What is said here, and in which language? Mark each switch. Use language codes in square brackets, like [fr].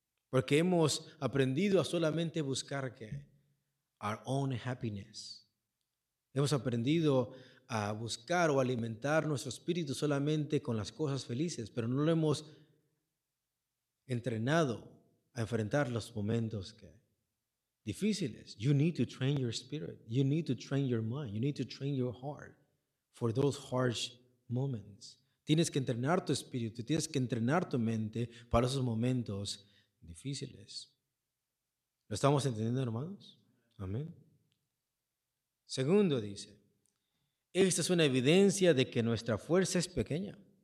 [es] Porque hemos aprendido a solamente buscar ¿qué? [en] Our own happiness. [es] Hemos aprendido a buscar o alimentar nuestro espíritu solamente con las cosas felices, pero no lo hemos entrenado a enfrentar los momentos que difíciles. [en] You need to train your spirit. You need to train your mind. You need to train your heart for those harsh moments. [es] Tienes que entrenar tu espíritu, tienes que entrenar tu mente para esos momentos difíciles. ¿Lo estamos entendiendo, hermanos? Amén. Segundo dice, esta es una evidencia de que nuestra fuerza es pequeña.